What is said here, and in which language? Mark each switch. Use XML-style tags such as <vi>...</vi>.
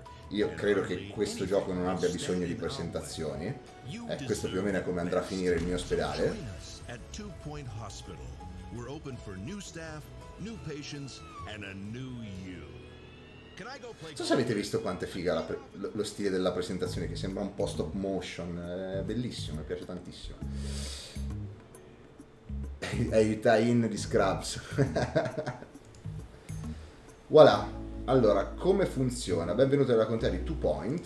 <it>Io credo che questo gioco non abbia bisogno di presentazioni. Questo più o meno è come andrà a finire il mio ospedale.</it> <en>We're open for new staff, new patients, and a new you. Can I go play?</en> <it>Non so se avete visto quanto è figa lo stile della presentazione, che sembra un po' stop motion. È bellissimo, mi piace tantissimo. È il tie-in di Scrubs. Voilà. Allora, come funziona? Benvenuti alla contea di Two Point.</it>